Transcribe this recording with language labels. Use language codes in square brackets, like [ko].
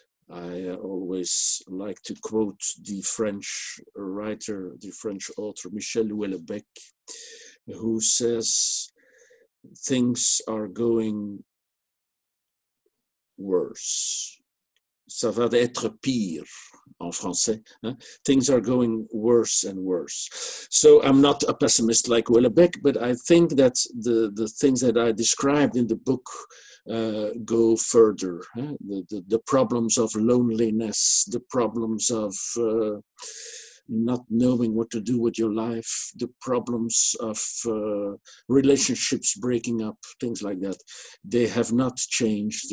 [en] I always like to quote the French author Michel Houellebecq, who says things are going worse. [fr] Ça va être pire en français. [en] Things are going worse and worse. So I'm not a pessimist like Houellebecq, but I think that the things that I described in the book go further. The problems of loneliness, the problems of not knowing what to do with your life, the problems of relationships breaking up, things like that, they have not changed.